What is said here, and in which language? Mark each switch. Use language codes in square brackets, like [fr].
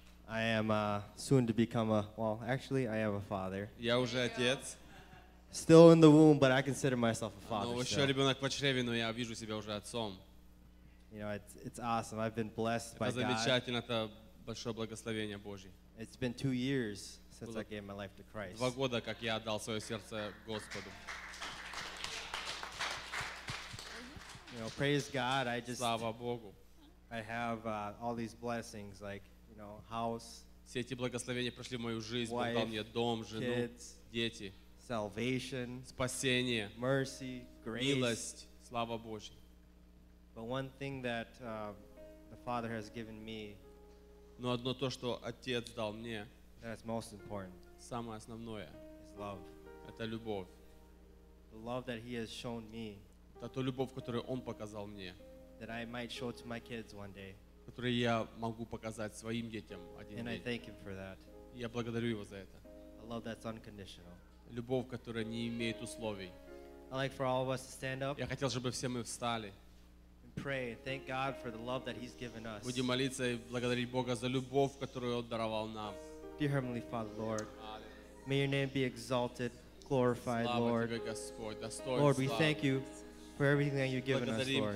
[en] I am soon to become I am a father. [ru] Я уже отец. [en] Still in the womb, but I consider myself a father. [ru] Но еще ребенок в чреве, но я вижу себя уже отцом. [en] You know, it's awesome. I've been blessed by God. [ru] Это замечательно, это большое благословение Божье. [en] It's been 2 years since I gave my life to Christ. [ru] 2 года, как я отдал свое сердце Господу. [en] You know, praise God. [ru] Слава Богу. [en] I have all these blessings, like, you know, house. [ru] Все эти благословения прошли в мою жизнь. Бог дал мне дом, жену, дети. [en] Salvation. [ru] Спасение. [en] Mercy. Grace. [ru] Милость. Слава Божья. [en] But one thing that the Father has given me. [ru] Но одно то, что Отец дал мне. [en] That's most important. [ru] Самое основное. [en] Is love. [ru] Это любовь. [en] The love that He has shown me. [ru] Это ту любовь, которую Он показал мне. [en] That I might show to my kids one day. [ru] Которую я могу показать своим детям один [en] день. And I thank Him for that. [ru] Я благодарю Его за это. [en] A love that's unconditional. [ru] Любовь, которая не имеет условий. [en] I'd like for all of us to stand up. [ru] Я хотел, чтобы все мы встали. [en] And pray, thank God for the love that He's given us. [ru] Будем молиться и благодарить Бога за любовь, которую Он даровал нам. [en] Dear Heavenly Father, Lord, may Your name be exalted, glorified, Lord. [ru] Слава Тебе, Господь, достоин. [en] Lord, we thank You for everything that You've given us, Lord.